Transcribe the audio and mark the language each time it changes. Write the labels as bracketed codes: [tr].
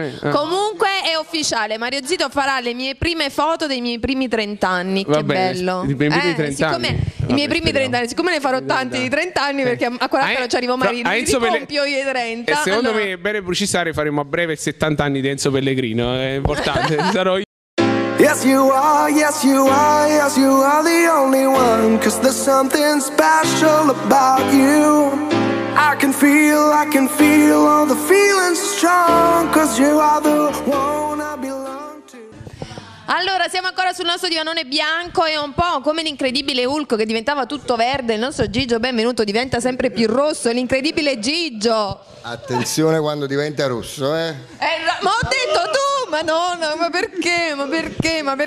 [it] Comunque è ufficiale, Mario Zito farà le mie prime foto dei miei primi 30 anni. Vabbè, che bello. I miei primi 30 anni, siccome ne farò tanti di 30 anni, perché a 40 non ci arrivo mai, mi ricompio io i 30. E secondo me è bene precisare, faremo a breve 70 anni di Enzo Pellegrino. È importante, sarò io. [en] Yes you are, yes you are, yes you are the only one. Cause there's something special about you. I can feel all the feelings strong. Cause you are the one I belong to. [it] Allora, siamo ancora sul nostro divanone bianco e un po' come l'incredibile Hulk che diventava tutto verde. Il nostro Gigio, benvenuto, diventa sempre più rosso. L'incredibile Gigio. Attenzione quando diventa rosso, eh. Ma ho detto tu! Ma perché?